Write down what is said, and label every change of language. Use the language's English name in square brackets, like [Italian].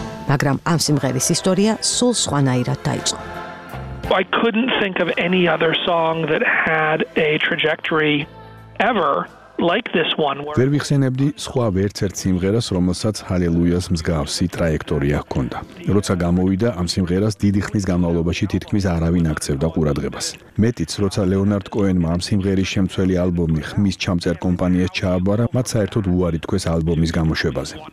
[Georgian] მაგრამ ამ სიმღერის ისტორია სულ სხვანაირად დაიწყო. [English] I couldn't think of any other song that had a trajectory ever like this one. [Georgian] ვერ ვიხსენებდი სხვა ვერცერც სიმღერას, რომელსაც ჰალელუიას მსგავსი ტრაექტორია ჰქონდა. როცა გამოვიდა ამ სიმღერას დიდი ხნის განმავლობაში თითქმის არავინ აქცევდა ყურადღებას. მეტიც, როცა ლეონარდ კოენმა ამ სიმღერის შემცველი ალბომი ხმის ჩამწერ კომპანიას ჩააბარა, მათ საერთოდ უარი თქვეს ალბომის გამოშვებაზე.